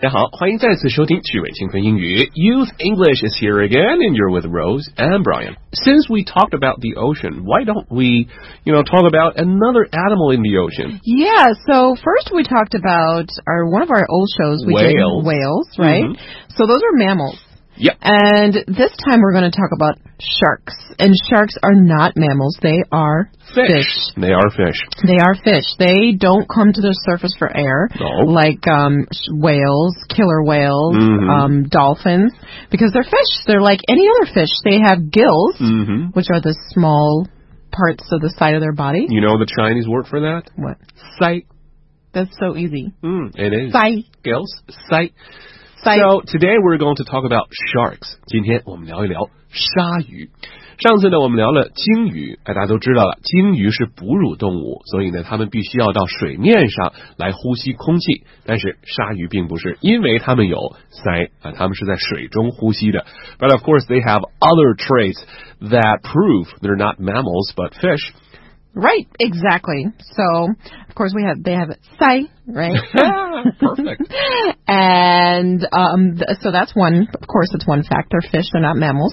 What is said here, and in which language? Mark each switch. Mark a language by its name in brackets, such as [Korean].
[Chinese] 大家好，欢迎再次收听趣味青春英语。 [English] Youth English is here again, and you're with Rose and Brian. Since we talked about the ocean, why don't we, you know, talk about another animal in the ocean? Yeah, so first we talked about one of our old shows, whales, right? Mm-hmm. So those are mammals. Yep. And this time we're going to talk about sharks. And sharks are not mammals, they are fish. They are fish. They don't come to the surface for air, like whales, killer whales, dolphins, because they're fish. They're like any other fish. They have gills, which are the small parts of the side of their body. You know the Chinese word for that? What? Sight. That's so easy. It is. Sight. Gills. Sight. So, today we're going to talk about sharks. [Chinese] 今天我们聊一聊鲨鱼。上次呢，我们聊了鲸鱼，大家都知道了，鲸鱼是哺乳动物，所以呢，它们必须要到水面上来呼吸空气。但是鲨鱼并不是，因为它们有鳃啊，它们是在水中呼吸的。 [English] But of course, they have other traits that prove they're not mammals but fish. Right, exactly. So, of course, they have sai, right? Perfect. And so that's one, of course, it's one fact. They're fish, they're not mammals.